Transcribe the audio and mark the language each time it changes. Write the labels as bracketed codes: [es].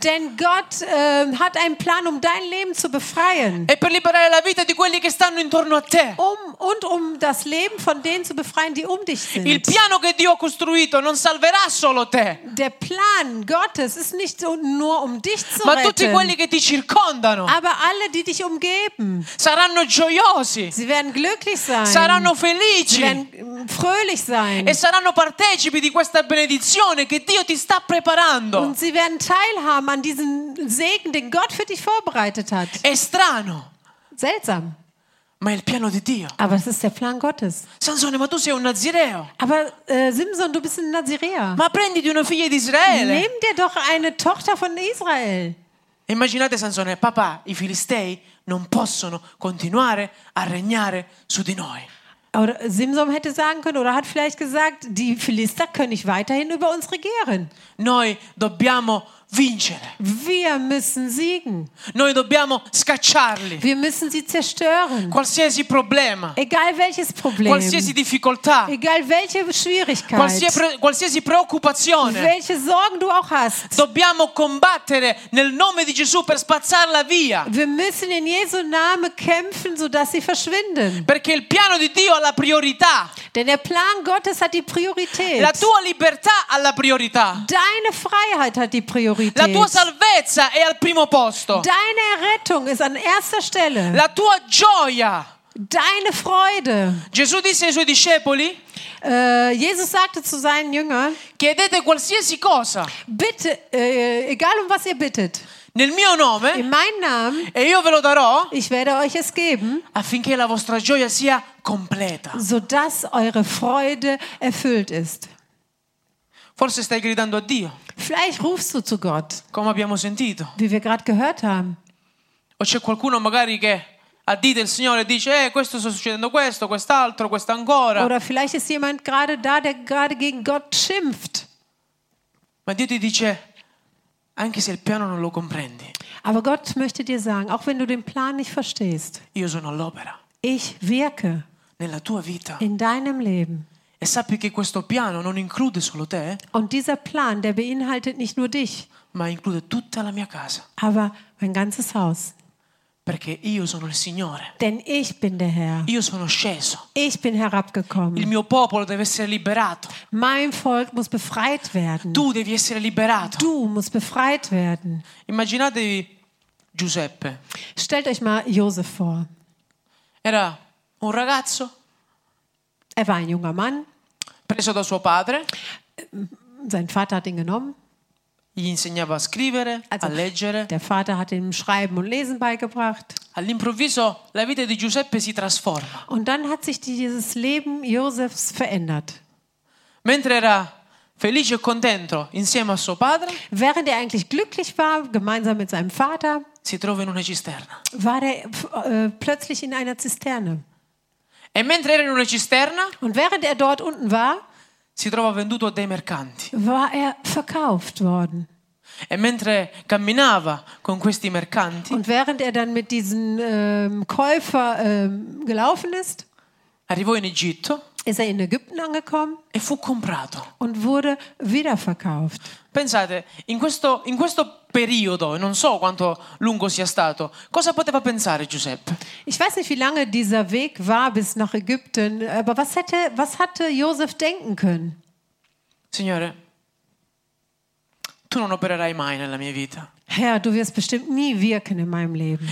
[de] Denn Gott hat einen Plan, um dein Leben zu befreien. [it] E per liberare la vita di quelli che stanno intorno a te. [de] Um das Leben von denen zu befreien, die um dich sind. [it] Il piano che Dio ha costruito non salverà solo te. [de] Der Plan Gottes ist nicht nur um dich zu retten. [it] Ma tutti quelli che ti circondano. [de] Aber alle, die dich umgeben. [it] Saranno gioiosi. [de] Sie werden glücklich sein. [it] Saranno felici. [de] Sie werden fröhlich sein. [it] E saranno partecipi di questa benedizione che Dio ti sta preparando. [de] Und sie werden teilhaben an diesem Segen, den Gott für dich vorbereitet hat. [it] È strano. [de] Seltsam. [it] Ma è il piano di Dio. [de] Aber es ist der Plan Gottes. [it] Sansone, ma tu sei un Nazireo. [de] Aber Simson, du bist ein Nazireer. [it] Ma prenditi una figlia di Israele. [de] Nimm dir doch eine Tochter von Israel. [it] Immaginate, Sansone, papà, i Filistei non possono continuare a regnare su di noi. [de] Oder Simson hätte sagen können oder hat vielleicht gesagt, die Philister können nicht weiterhin über uns regieren. [it] Noi dobbiamo vincere. [de] Wir müssen siegen. [it] Noi dobbiamo scacciarli. [de] Wir müssen sie zerstören. [it] Qualsiasi problema. [de] Egal welches Problem. [it] Qualsiasi difficoltà. [de] Egal welche Schwierigkeit. [it] Qualsiasi preoccupazione. [de] Welche Sorgen du auch hast. [it] Dobbiamo combattere nel nome di Gesù per spazzarla via. [de] Wir müssen in Jesu Name kämpfen, sodass sie verschwinden. [it] Perché il piano di Dio ha la priorità. [de] Denn der Plan Gottes hat die Priorität. [it] La tua libertà ha la priorità. [de] Deine Freiheit hat die Priorität. [it] La tua salvezza è al primo posto. [de] Deine Errettung ist an erster Stelle. [it] La tua gioia. [de] Deine Freude. [it] Gesù disse ai suoi discepoli. [de] Jesus sagte zu seinen Jüngern. [it] Chiedete qualsiasi cosa. [de] Bitte, egal um was ihr bittet. [it] Nel mio nome. [de] In meinem Namen. [it] E io ve lo darò. [de] Ich werde euch es geben. [it] Affinché la vostra gioia sia completa. [de] Sodass eure Freude erfüllt ist. [it] Forse stai gridando a Dio. [de] Vielleicht rufst du zu Gott. [it] Come abbiamo sentito. [de] Wie wir gerade gehört haben. [it] O c'è qualcuno magari che ha dito il Signore dice questo sta succedendo questo, quest'altro, questo ancora. [de] Oder vielleicht ist jemand gerade da, der gerade gegen Gott schimpft. [it] Ma Dio ti dice anche se il piano non lo comprendi. [de] Aber Gott möchte dir sagen, auch wenn du den Plan nicht verstehst. [it] Io sono all'opera. [de] Ich wirke. [it] Nella tua vita. [de] In deinem Leben. [it] E sappi che questo piano non include solo te. [de] Und dieser Plan, der beinhaltet nicht nur dich. [it] Ma include tutta la mia casa. [de] Aber mein ganzes Haus. [it] Perché io sono il Signore. [de] Denn ich bin der Herr. [it] Io sono sceso. [de] Ich bin herabgekommen. [it] Il mio popolo deve essere liberato. [de] Mein Volk muss befreit werden. [it] Tu devi essere liberato. [de] Du musst befreit werden. [it] Immaginatevi Giuseppe. [de] Stellt euch mal Josef vor. [it] Era un ragazzo. [de] Er war ein junger Mann. [it] Preso da suo padre. [de] Sein Vater hat ihn genommen. [it] Gli insegnava a scrivere, also, a leggere. [de] Der Vater hat ihm Schreiben und Lesen beigebracht. [it] All'improvviso la vita di Giuseppe si trasforma. [de] Und dann hat sich dieses Leben Josefs verändert. [it] Mentre era felice e contento insieme a suo padre. [de] Während er eigentlich glücklich war, gemeinsam mit seinem Vater. [it] Si trova in una cisterna. [de] War er plötzlich in einer Zisterne. [it] E mentre era in una cisterna, [de] und während er dort unten war, [it] si trova venduto dai mercanti. [de] War er verkauft worden. [it] E mentre camminava con questi mercanti, [de] und während er dann mit diesen Käufer gelaufen ist, [it] arrivò in Egitto, [de] ist er in Ägypten angekommen, [it] e fu comprato. [de] Und wurde wiederverkauft. [it] Pensate, in questo periodo, non so quanto lungo sia stato, cosa poteva pensare Giuseppe? [de] Ich weiß nicht, wie lange dieser Weg war bis nach Ägypten, aber was hatte Josef denken können? [it] Signore, tu non opererai mai nella mia vita. [de] Herr, du wirst bestimmt nie wirken in meinem Leben.